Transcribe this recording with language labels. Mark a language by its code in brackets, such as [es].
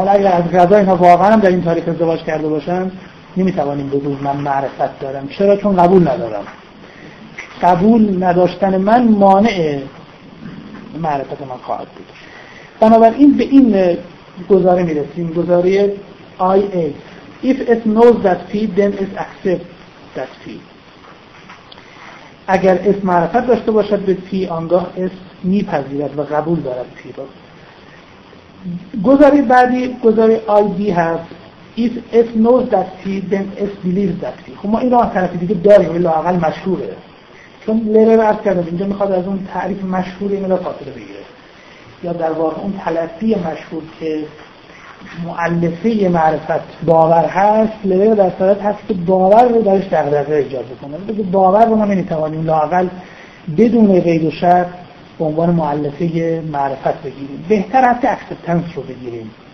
[fa] حالا اگر از غذا اینها واقعا هم در این تاریخ ازدواج کرده باشن، نمیتوانیم بگوییم من معرفت دارم. چرا؟ چون قبول ندارم. قبول نداشتن من مانع معرفت من خواهد بود. بنابراین به این گزاره میرسیم، گزاره IA. [en] If it knows that P, then it accepts that P. [fa] اگر S معرفت داشته باشد به P، آنگاه S میپذیرد و قبول دارد P را. گزاره بعدی گزاره IB هست. [en] If S knows that P, then S believes that P. [fa] خب ما این را از طرف دیگه داریم، لااقل مشهوره، چون لره رو عرض کردم اینجا میخواد از اون تعریف مشهور این را فاطره بگیره، یا در واقع اون تلقی مشهور که مؤلفه معرفت باور هست، لره در صورت هست که باور رو درش دغدغه ایجاد بکنه، بگه باور رو ما نمیتوانیم لااقل بدون قید و شرط به عنوان مؤلفه معرفت بگیریم، بهتر هست که اکسپتنس رو بگیریم.